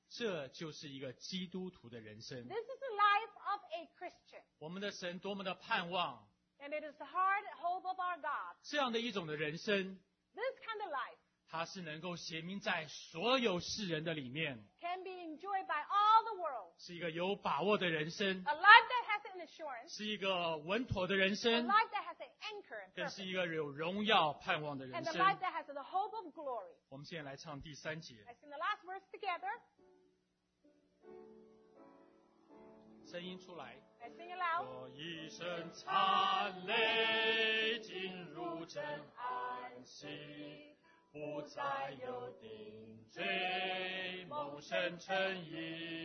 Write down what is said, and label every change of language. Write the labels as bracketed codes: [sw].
[zh] 这就是一个基督徒的人生。 [en] This is the life of a Christian. [zh] 我们的神多么的盼望， [en] And it is the hard hope of our God. [zh] 这样的一种的人生， [en] This kind of life, [zh] 它是能够显明在所有世人的里面， [en] Can be enjoyed by all the world. [zh] 是一个有把握的人生， [en] A life that has an assurance. [zh] 是一个稳妥的人生， [en] A life that has [zh] 更是一个有荣耀盼望的人生。 [en] And the life that has the hope of glory. [zh] 我们现在来唱第三节。 [en] Let's sing the last verse together. [zh] 声音出来。 [en] Let's sing it loud. [zh] 我一声惨泪进入真安息，不再有定罪，蒙神称义。